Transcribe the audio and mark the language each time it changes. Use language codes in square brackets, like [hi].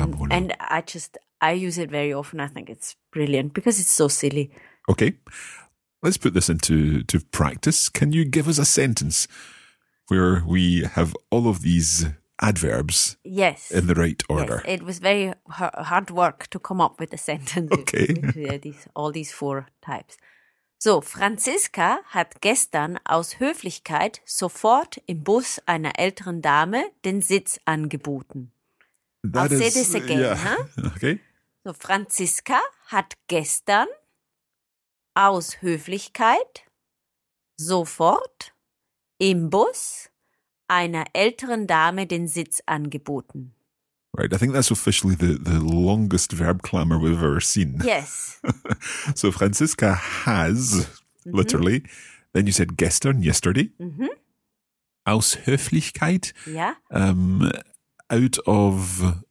[en] And I use it very often. I think it's brilliant because it's so silly. Okay. Let's put this into practice. Can you give us a sentence where we have all of these adverbs? Yes. In the right order. Yes. It was very hard work to come up with a sentence. Okay. all these four types. [de] So, Franziska hat gestern aus Höflichkeit sofort im Bus einer älteren Dame den Sitz angeboten. [en] Say this again. Yeah. Huh? Okay. [de] So, Franziska hat gestern aus Höflichkeit sofort im Bus einer älteren Dame den Sitz angeboten. [en] Right, I think that's officially the longest verb clamour we've ever seen. Yes. So Franziska has, literally, then you said gestern, yesterday. Mm-hmm. [de] Aus Höflichkeit. [en] Yeah. Out of